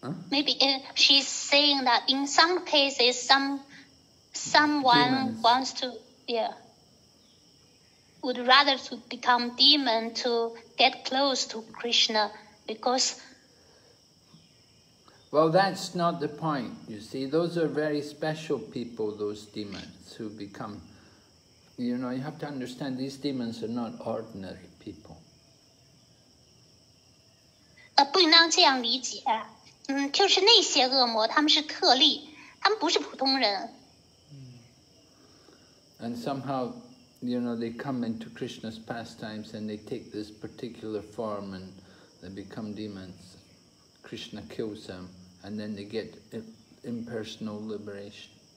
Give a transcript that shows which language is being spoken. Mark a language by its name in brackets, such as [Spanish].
[English] Maybe she's saying that in some cases, would rather to become demon to get close to Krishna because. Well, that's not the point. You see, those are very special people, those demons who become, you know, you have to understand these demons are not ordinary people. [Chinese] 不应当这样理解，就是那些恶魔，他们是特例，他们不是普通人。 [English] And somehow, you know, they come into Krishna's pastimes and they take this particular form and they become demons. Krishna kills them and then they get impersonal liberation.